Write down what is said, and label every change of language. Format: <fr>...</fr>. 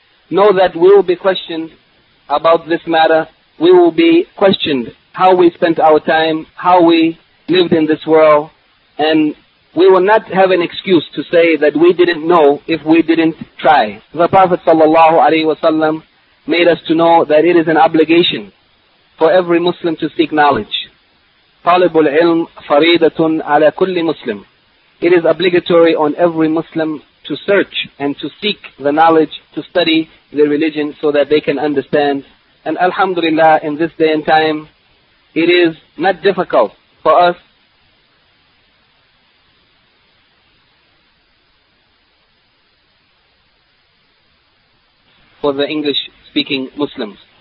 <en>Know that we will be questioned about this matter. We will be questioned how we spent our time, how we lived in this world, and we will not have an excuse to say that we didn't know if we didn't try. The Prophet sallallahu alaihi wasallam made us to know that it is an obligation for every Muslim to seek knowledge.</en> <ar>طالب العلم فريضة على كل مسلم.</ar> <en>It is obligatory on every Muslim to search and to seek the knowledge, to study the religion so that they can understand. And alhamdulillah, in this day and time, it is not difficult for us for the English-speaking Muslims.</en>